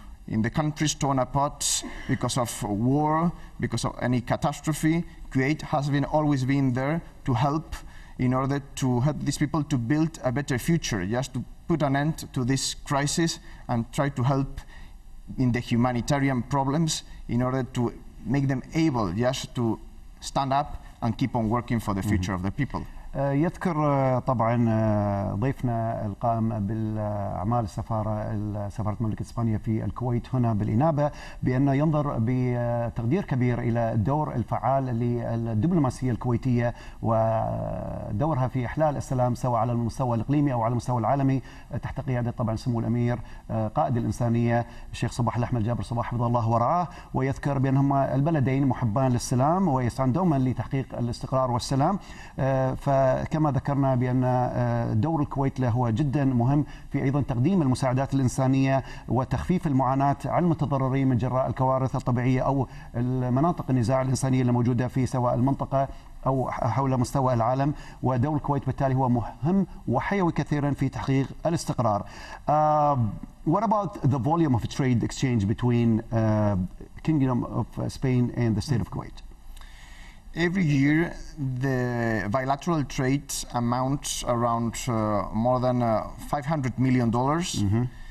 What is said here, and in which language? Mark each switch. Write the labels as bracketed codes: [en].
[en] In the countries torn apart because of war, because of any catastrophe, Kuwait has always been there to help, in order to help these people to build a better future, just to put an end to this crisis and try to help in the humanitarian problems in order to make them able just to stand up and keep on working for the future of the people. [ar] يذكر طبعا ضيفنا القائم بالأعمال سفارة المملكة الإسبانية في الكويت هنا بالإنابة بأنه ينظر بتقدير كبير إلى الدور الفعال للدبلوماسية الكويتية ودورها في إحلال السلام سواء على المستوى الإقليمي أو على المستوى العالمي تحت قيادة طبعا سمو الأمير قائد الإنسانية الشيخ صباح الأحمد جابر صباح حفظه الله ورعاه، ويذكر بأنهما البلدين محبان للسلام ويسعان دوما لتحقيق الاستقرار والسلام. كما ذكرنا بأن دور الكويت له هو جدا مهم في أيضا تقديم المساعدات الإنسانية وتخفيف المعاناة على المتضررين من جراء الكوارث الطبيعية أو المناطق النزاع الإنسانية الموجودة في سواء المنطقة أو حول مستوى العالم، ودور الكويت بالتالي هو مهم وحيوي كثيرا في تحقيق الاستقرار. [en] What about the volume of trade exchange between Kingdom of Spain and the state of Kuwait? Every year, the bilateral trade amounts around more than $500 million.